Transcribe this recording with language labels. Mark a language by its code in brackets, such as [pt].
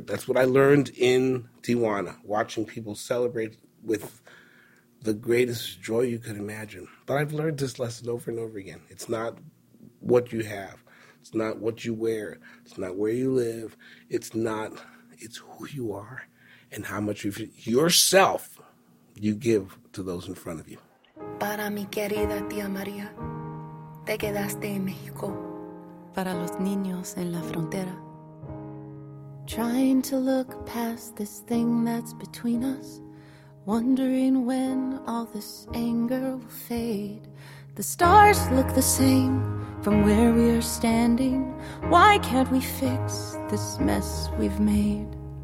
[en] That's what I learned in Tijuana, watching people celebrate with the greatest joy you could imagine. But I've learned this lesson over and over again. It's not what you have. It's not what you wear. It's not where you live. It's who you are and how much of yourself you give to those in front of you. [es] Para mi querida tía María, te quedaste en México. Para los niños en la frontera. [en] trying to look past this thing that's between us, wondering when all this anger will fade. The stars look the same from where we are standing. Why can't we fix this mess we've made?